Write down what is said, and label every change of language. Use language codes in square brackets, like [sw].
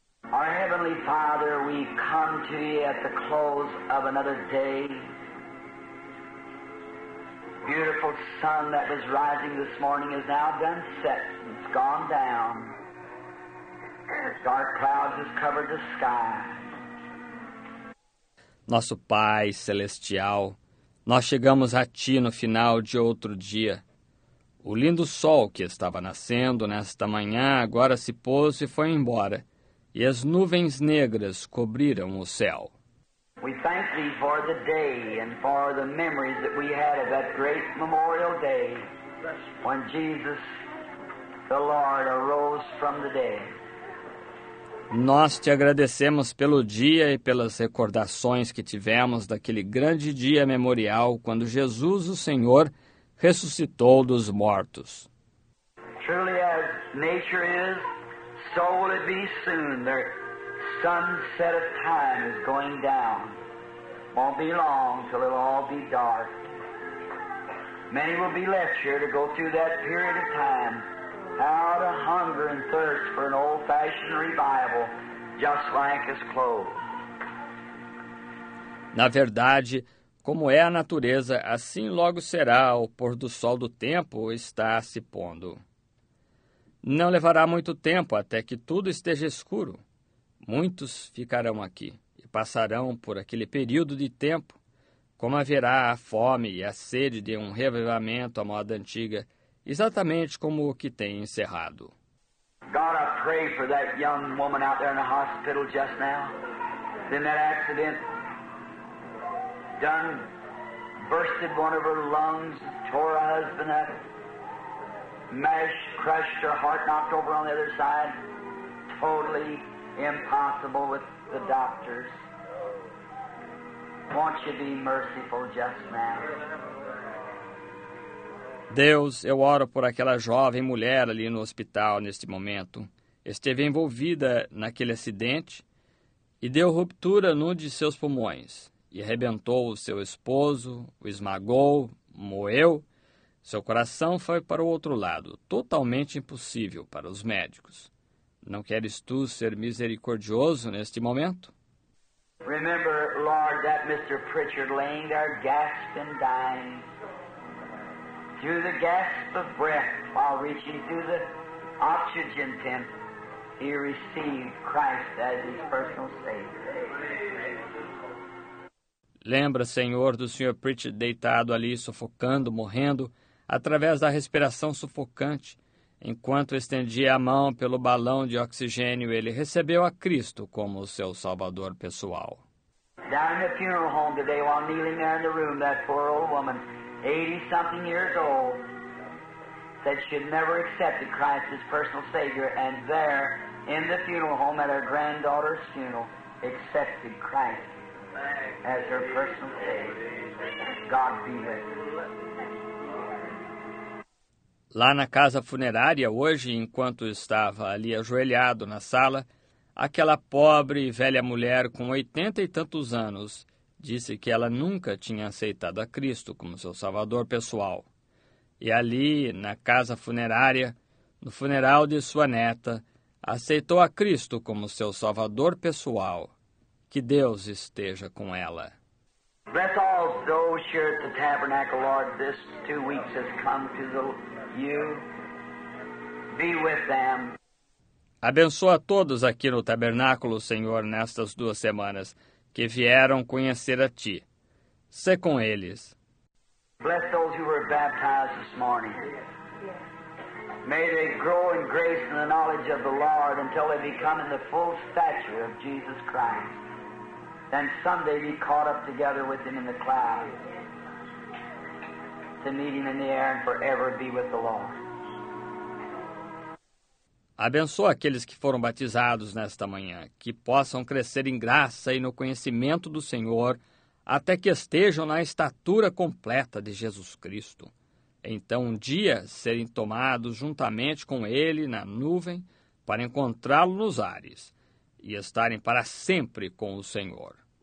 [en] Our Heavenly Father, we come to thee at the close of another day. Beautiful sun that was rising this morning is now done set. It's gone down. Dark clouds have covered the sky. [pt] Nosso Pai Celestial, nós chegamos a Ti no final de outro dia. O lindo sol que estava nascendo nesta manhã agora se pôs e foi embora, e as nuvens negras cobriram o céu. [en] We thank Thee for the day and for the memories that we had of that great memorial day when Jesus the Lord arose from the dead. [pt] Nós te agradecemos pelo dia e pelas recordações que tivemos daquele grande dia memorial quando Jesus, o Senhor, ressuscitou dos mortos. [en] Truly as nature is, so will it be soon. Their sunset of time is going down. Won't be long till it'll all be dark. Many will be left here to go through that period of time. Out of hunger and thirst for an old-fashioned revival, just like his clothes. [pt] Na verdade, como é a natureza, assim logo será o pôr do sol do tempo está se pondo. Não levará muito tempo até que tudo esteja escuro. Muitos ficarão aqui e passarão por aquele período de tempo, como haverá a fome e a sede de um revivamento à moda antiga, exatamente como o que tem encerrado. [en] God, I pray for that young woman out there in the hospital just now. Then that accident done bursted one of her lungs, tore her husband up, mashed, crushed her heart, knocked over on the other side. Totally impossible with the doctors. Won't you be merciful just now? [pt] Deus, eu oro por aquela jovem mulher ali no hospital neste momento. Esteve envolvida naquele acidente e deu ruptura num de seus pulmões e arrebentou o seu esposo, o esmagou, moeu. Seu coração foi para o outro lado, totalmente impossível para os médicos. Não queres tu ser misericordioso neste momento? [en] Remember, Lord, that Mr. Pritchard laying there gasping, dying. Through the gasp of breath, while reaching through the oxygen tent, he received Christ as his personal Savior. [pt] Lembra, Senhor, do Sr. Pritchard deitado ali, sufocando, morrendo, através da respiração sufocante. Enquanto estendia a mão pelo balão de oxigênio, ele recebeu a Cristo como o seu Salvador pessoal. [en] Down in the funeral home today, while kneeling there in the room, that poor old woman, 80-something years old, said she had never accepted Christ as personal Savior, and there, in the funeral home at her granddaughter's funeral, accepted Christ as her personal Savior. God be with her. [pt] Lá na casa funerária, hoje, enquanto estava ali ajoelhado na sala, aquela pobre e velha mulher com 80 e tantos anos disse que ela nunca tinha aceitado a Cristo como seu Salvador pessoal. E ali, na casa funerária, no funeral de sua neta, aceitou a Cristo como seu Salvador pessoal. Que Deus esteja com ela. [en] Bless all those here at the tabernacle, Lord, this 2 weeks has come to the, you. Be with them. [pt] Abençoa todos aqui no tabernáculo, Senhor, nestas 2 semanas. Que vieram conhecer a Ti. Sê com eles. [en] Bless those who were baptized this morning. May they grow in grace and the knowledge of the Lord until they become in the full stature of Jesus Christ. Then someday be caught up together with Him in the clouds. To meet Him in the air and forever be with the Lord. [pt] Abençoa aqueles que foram batizados nesta manhã, que possam crescer em graça e no conhecimento do Senhor, até que estejam na estatura completa de Jesus Cristo. Então, um dia, serem tomados juntamente com Ele na nuvem para encontrá-Lo nos ares e estarem para sempre com o Senhor.